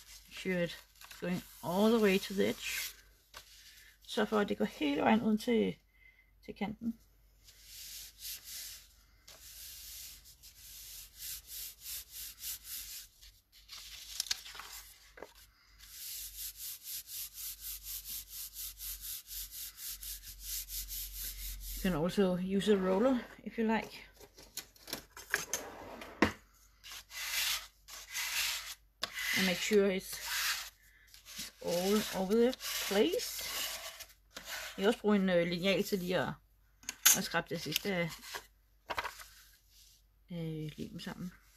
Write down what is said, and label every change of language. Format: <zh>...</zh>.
<en>Should going all the way to the edge.</en> <da>Så for at det går hele vejen uden til kanten.</da> <en>You can also use a roller if you like. And make sure it's all over the place.</en> <da>Jeg kan også bruge en lineal til lige at skrabe det sidste af limen sammen.</da>